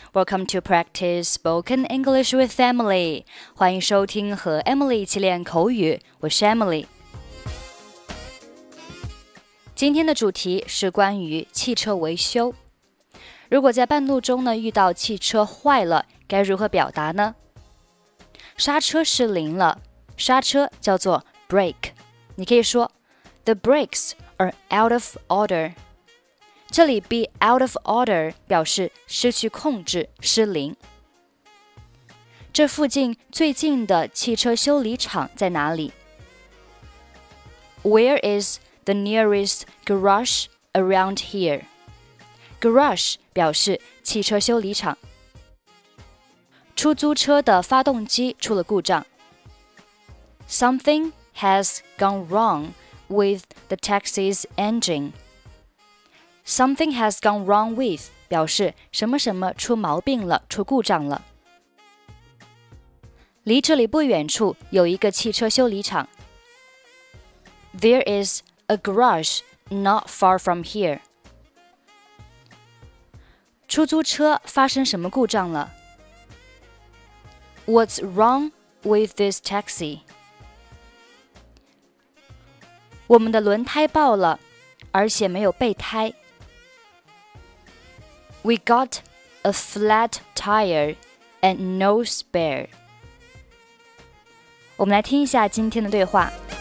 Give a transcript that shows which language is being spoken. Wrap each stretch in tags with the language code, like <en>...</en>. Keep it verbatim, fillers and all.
<en>Welcome to practice spoken English with Emily.</en> <zh>欢迎收听和 Emily 一起练口语，我是 Emily。今天的主题是关于汽车维修。如果在半路中呢遇到汽车坏了，该如何表达呢？刹车失灵了，刹车叫做 brake。你可以说</zh> <en>The brakes are out of order。</en> <zh>这里 be out of order 表示失去控制、失灵。这附近最近的汽车修理厂在哪里？</zh> <en>Where is the nearest garage around here?</en> <zh>Garage 表示汽车修理厂。出租车的发动机出了故障。</zh> <en>Something has gone wrong with the taxi's engine. Something has gone wrong with</en> <zh>表示什么什么出毛病了，出故障了。离这里不远处有一个汽车修理厂。</zh> <en>There is a garage not far from here.</en> <zh>出租车发生什么故障了？</zh> <en>What's wrong with this taxi?</en> <zh>我们的轮胎爆了，而且没有备胎。</zh> <en>We got a flat tire and no spare.</en> <zh>我们来听一下今天的对话。</zh>